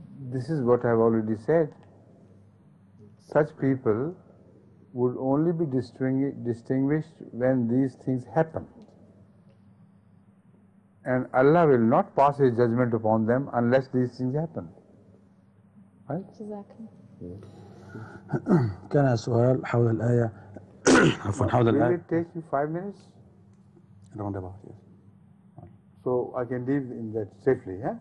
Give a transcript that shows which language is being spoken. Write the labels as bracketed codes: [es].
[en] This is what I've already said. Such people would only be distinguished when these things happen. And Allah will not pass His judgment upon them unless these things happen. [ar] كان سؤال حول الآية عفوا حول الآية. [en] Will it take you 5 minutes? Around about, yes. So I can leave in that safely, yeah?